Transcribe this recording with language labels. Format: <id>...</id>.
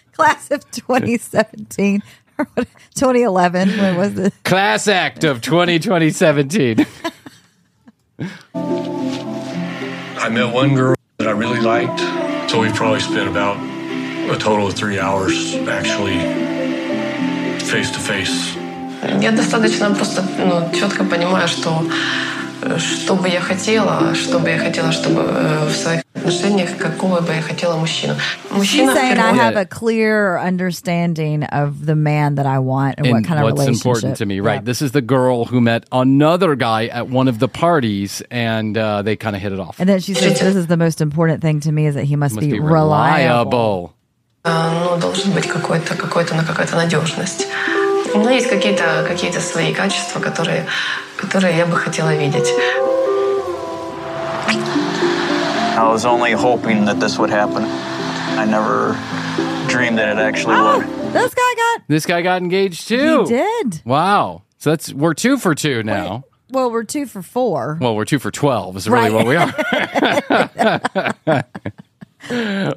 <en>Class of 2017. 2011. What was it? Class act of 2017. I met one girl that I really liked, so we probably spent about a total of 3 hours actually face to face.</en> <ru>Я достаточно просто, ну, четко понимаю, что что бы я хотела, что бы я хотела, чтобы в своих отношениях какого бы я хотела мужчину.</ru> <en>She's saying I have a clear understanding of the man that I want and what kind of relationship. What's important to me, right? Yep. This is the girl who met another guy at one of the parties, and they kind of hit it off. And then she says, "This is the most important thing to me is that he must be reliable."</en> <ru>Ну должен быть какой-то на какая-то надежность. Но есть какие-то свои качества, которые я бы хотела видеть.</ru> <en>I was only hoping that this would happen. I never dreamed that it actually would. This guy got engaged too. He did. Wow. So that's we're two for two now. Well, we're two for four. Well, we're two for 12 is really what we are.</en>